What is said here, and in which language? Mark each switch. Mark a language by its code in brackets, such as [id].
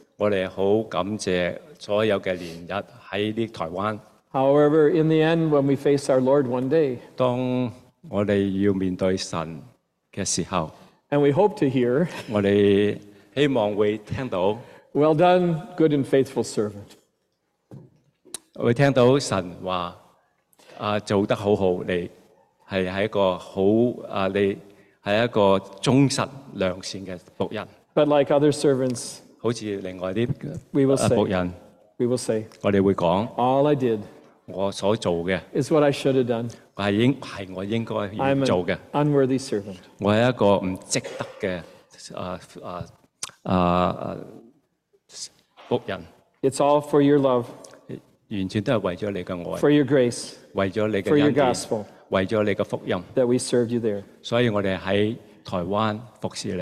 [zh] 我们很感谢所有的年日在台湾. [en] However, in the end, when we face our Lord one day, [zh] 当我们要面对神的时候, [en] and we hope to hear, [zh] 我们希望会听到, [en] well done, good and faithful servant. [zh] 会听到神说做得很好，你是一个忠实良善的仆人。 [en] But like other servants, [zh] 好像另外的, [en] we will say, [zh] 仆人, [en] we will say, [zh] 我们会说, [en] all I did, [zh] 我所做的, [en] is what I should have done. [zh] 是我应该要做的。 [en] I'm an unworthy servant. [zh] 我是一个不值得的, [en] it's all for your love. [zh] 完全都是为了你的爱, [en] for your grace, [zh] 为了你的恩典, [en] for your gospel, [zh] 为了你的福音, [en] that we served you there. [zh] 所以我们在台湾服侍你,